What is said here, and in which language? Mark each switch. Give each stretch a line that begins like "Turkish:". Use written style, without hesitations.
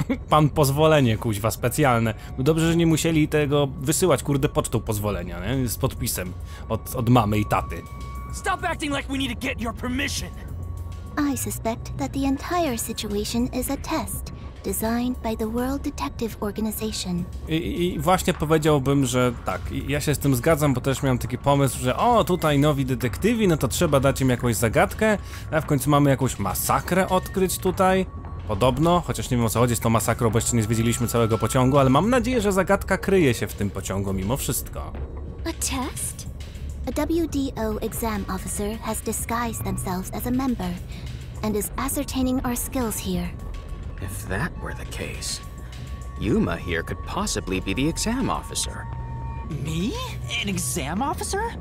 Polish: Pan pozwolenie, kuźwa, specjalne. Dobrze, że nie musieli tego wysyłać, kurde, pocztą pozwolenia, nie? Z podpisem od mamy i taty.
English: Stop acting like we need to get your permission! I suspect that the entire situation is a test designed by the World Detective Organization.
Polish: I właśnie powiedziałbym, że tak, ja się z tym zgadzam, bo też miałem taki pomysł, że o, tutaj nowi detektywi, no to trzeba dać im jakąś zagadkę, a w końcu mamy jakąś masakrę odkryć tutaj. Podobno, chociaż nie wiem, o co chodzi z tą masakrą, bo jeszcze nie zwiedziliśmy całego pociągu, ale mam nadzieję, że zagadka kryje się w tym pociągu mimo wszystko.
English: A test? A WDO exam officer has disguised themselves as a member and is ascertaining our skills here. If that were the case, Yuma here could possibly be the exam officer. Me? An exam officer?